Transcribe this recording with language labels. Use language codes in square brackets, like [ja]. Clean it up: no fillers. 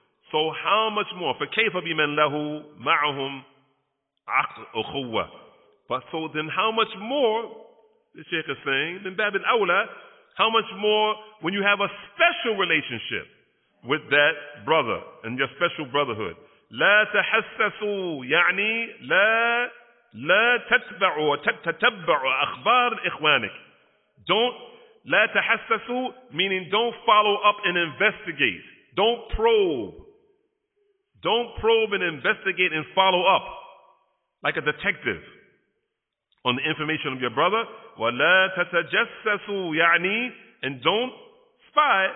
[en] So how much more? [ar] فَكَيْفَ بِمَنْ لَهُ مَعَهُمْ عَقْدٌ أُخُوَةٌ. [en] But so then how much more, the Sheikh is saying, [ar] من باب الأولى, [en] how much more when you have a special relationship with that brother and your special brotherhood? [ar] لا تحسسوا يعني لا تتبعوا تتبعوا أخبار إخوانك. [en] Don't [ar] لا تحسسوا, [en] meaning don't follow up and investigate. Don't probe. Don't probe and investigate and follow up like a detective on the information of your brother. [ar] ولا تتجسسوا يعني, [en] and don't spy.